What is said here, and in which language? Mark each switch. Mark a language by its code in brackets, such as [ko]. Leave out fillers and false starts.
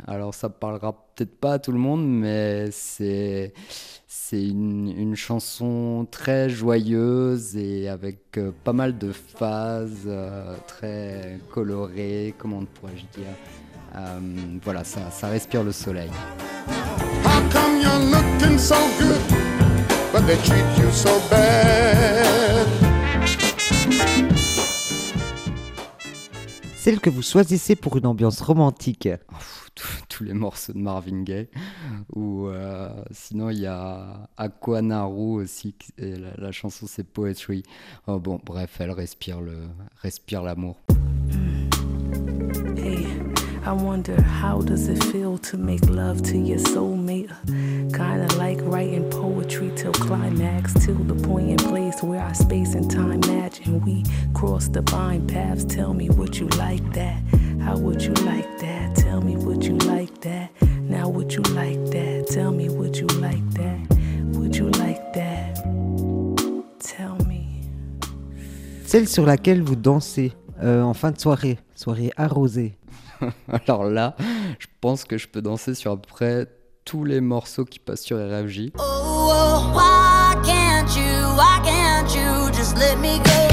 [fr] Alors, ça parlera peut-être pas à tout le monde, mais c'est une chanson très joyeuse et avec pas mal de phases très colorées, comment pourrais-je dire? Voilà, ça respire le soleil. [en] How come you're looking so good, but they treat you so bad? [fr] Celle que vous choisissez pour une ambiance romantique. Tous les morceaux de Marvin Gaye, ou sinon il y a Aquanaru aussi, et la chanson c'est Poetry. Oh, bon, bref, elle respire l'amour. [en] I wonder how does it feel to make love to your soulmate? Kinda like writing poetry till climax, till the point and place where our space and time match and we cross divine paths. Tell me would you like that? How would you like that? Tell me would you like that? Now would you like that? Tell me would you like that? Would you like that? Tell me. [fr] Celle sur laquelle vous dansez en fin de soirée, soirée arrosée. Alors là, je pense que je peux danser sur à peu près tous les morceaux qui passent sur RFJ. [en] Oh, why can't you just let me go?